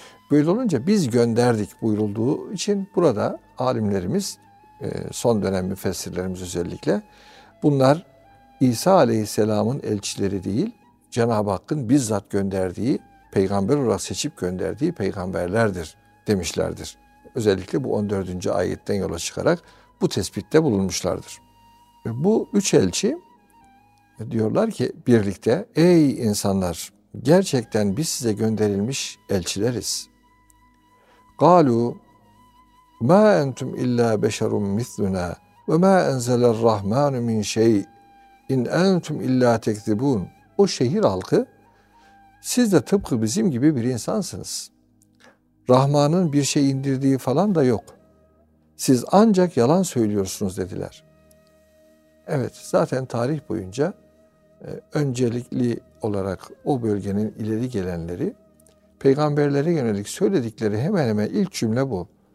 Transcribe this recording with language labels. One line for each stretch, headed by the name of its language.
Turkish: Böyle olunca biz gönderdik buyurulduğu için burada alimlerimiz, son dönem müfessirlerimiz özellikle, bunlar İsa Aleyhisselam'ın elçileri değil, Cenab-ı Hakk'ın bizzat gönderdiği, peygamber olarak seçip gönderdiği peygamberlerdir demişlerdir. Özellikle bu 14. ayetten yola çıkarak bu tespitte bulunmuşlardır. Bu üç elçi diyorlar ki birlikte, ey insanlar, gerçekten biz size gönderilmiş elçileriz.
Arabic: قَالُوا مَا أَنْتُمْ اِلَّا بَشَرٌ مِثْلُنَا وَمَا أَنْزَلَ الرَّحْمَانُ مِنْ شَيْءٍ اِنْ أَنْتُمْ اِلَّا تَكْذِبُونَ
Turkish: O şehir halkı, siz de tıpkı bizim gibi bir insansınız. Rahman'ın bir şey indirdiği falan da yok. Siz ancak yalan söylüyorsunuz dediler. Evet, zaten tarih boyunca öncelikli olarak o bölgenin ileri gelenleri peygamberlere yönelik söyledikleri hemen hemen ilk cümle bu.